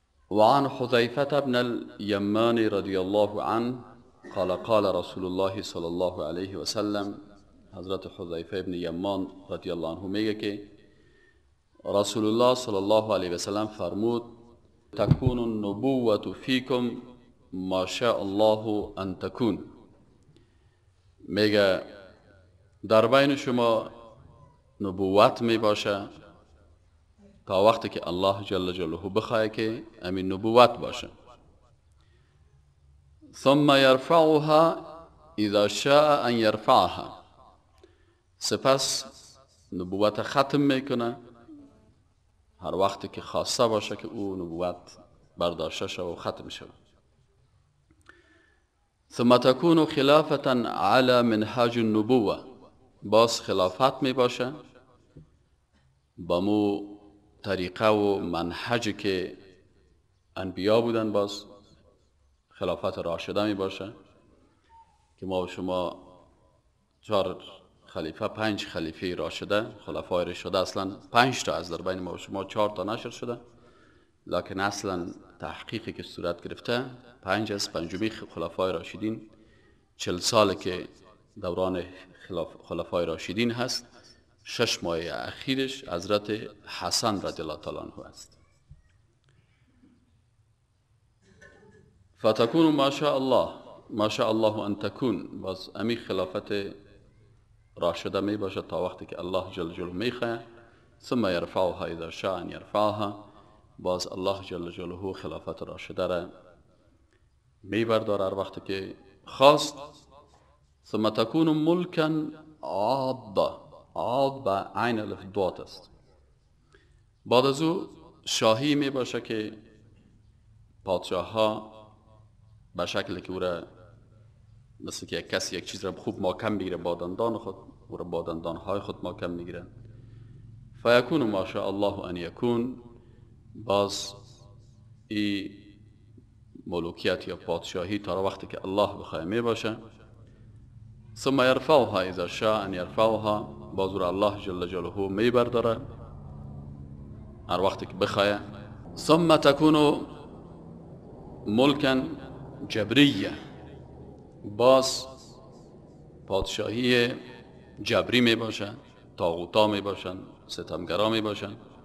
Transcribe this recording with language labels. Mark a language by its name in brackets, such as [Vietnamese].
[Arabic] وعن حذیفة ابن الیمان رضی الله عنه قال قال رسول الله صلی الله علیه و سلم، [Persian] حضرت حذیفة ابن یمان رضی الله عنه میگه که رسول الله صلی الله علیه و سلم فرمود [Arabic] تکون النبوة فیکم ما شاء الله ان تکون. [Persian] میگه در بین شما نبوت می باشه تا وقتی که الله جل جلاله بخواهد که امین نبوت باشه. [Arabic] ثم یرفعها اذا شاء ان یرفعها. [Persian] سپس نبوت ختم میکنه هر وقتی که خواسته باشه که او نبوت برداشته شد و ختم شد. [Arabic] ثم تکون خلافتا على منهاج النبوه. [Persian] باز خلافت می باشه بمو طریقه و منهج که انبیا بودن، باز خلافت راشده می باشه که ما و شما 4 خلیفه 5 خلیفه راشده، خلفای راشده اصلا 5 تا از در بین ما و شما 4 تا نشر شده، لکن اصلا تحقیقی که صورت گرفته 5 است. پنجمی خلفای راشدین 40 سال که دوران خلفای راشدین هست، 6 ماه اخیرش حضرت حسن رضی الله تعالی عنه است. [Arabic] فتکون ماشاءالله، ماشاءالله ان تکون. [Persian] باز امی خلافت راشده می باشد تا وقتی که الله جل جلاله می خواهد. [Arabic] ثم یرفعها اذا شاء ان یرفعها. [Persian] باز الله جل جلاله خلافت راشده را می بردارد هر وقتی که خواست. [Arabic] ثم تکون ملکن عادا. [Persian] آب با عین الف دوات است. بعد از او شاهی می باشه که پادشاه ها به شکل که او را مثل که یک کسی یک چیز را خوب ماکم بگیره، بادندان خود او را بادندان های خود ماکم نگیره. [Arabic] فیکون و ماشاء الله ان یکون. [Persian] باز ای ملوکیت یا پادشاهی تا وقتی که الله بخواه می باشه. [Arabic] ثم یرفعها اذا شاء ان یرفعها. [Persian] بازور الله جل جلاله می برداره هر وقتی که بخواه. [Arabic] ثم تکونو ملکن جبریه، [Persian] باز پادشاهی جبری می باشن، طاغوتا می باشن، ستمگرا می باشن.